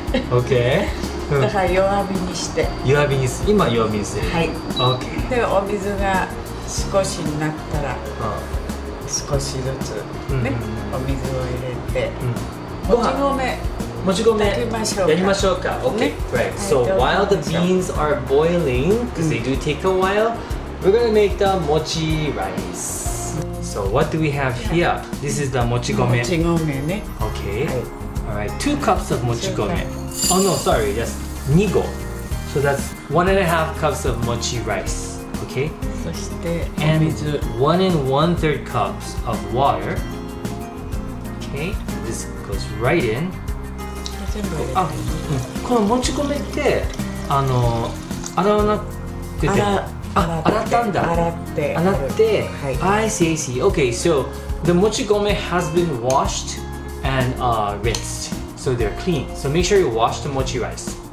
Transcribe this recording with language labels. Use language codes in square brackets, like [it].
[en] OK? [ja] だから弱火にして。弱火にする。今弱火にする。はい。 [en] OK! [ja] で、お水が少しになったら、少しずつね、お水を入れて、もち米やりましょうか。 [en] OK! Right! So, while the beans are boiling, because they do take a while,We're gonna make the mochi rice. So what do we have here? This is the mochi gome. Mochi gome, ne? Okay. All right. 2 cups of mochi gome. Oh no, sorry. Yes, 2 go. So that's 1.5 cups of mochi rice. Okay. [ja] そして、 [en] and 1 1/3 cups of water. Okay. This goes right in. [ja] 全部入れてる。あ、このもち米って、あの、洗わなくて。洗って、 [en] はい、I see, I see. Okay, so the mochi gome has been washed and rinsed. So they're clean. So make sure you wash the mochi rice.